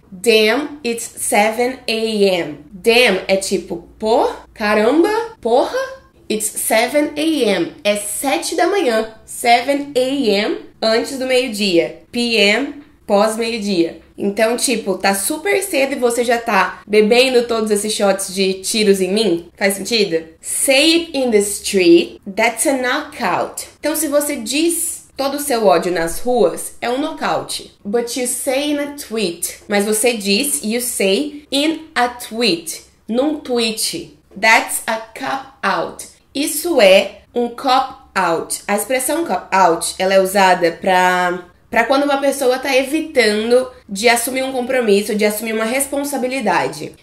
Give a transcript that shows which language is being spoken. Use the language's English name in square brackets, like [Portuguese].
[English] Damn, it's 7 a.m. [Portuguese] Damn é tipo, pô, caramba, porra. [English] It's 7 a.m. [Portuguese] É 7 da manhã. [English] 7 a.m. [Portuguese] antes do meio-dia, PM, pós-meio-dia. Então, tipo, tá super cedo e você já tá bebendo todos esses shots de tiros em mim? Faz sentido? [English] Say it in the street, that's a knockout. [Portuguese] Então, se você diz todo o seu ódio nas ruas, é um nocaute. [English] But you say in a tweet. [Portuguese] Mas você diz, [English] you say in a tweet, [Portuguese] num tweet. [English] That's a cop out. [Portuguese] Isso é um [English] cop out. [Portuguese] A expressão cop out, ela é usada para quando uma pessoa tá evitando de assumir um compromisso, de assumir uma responsabilidade.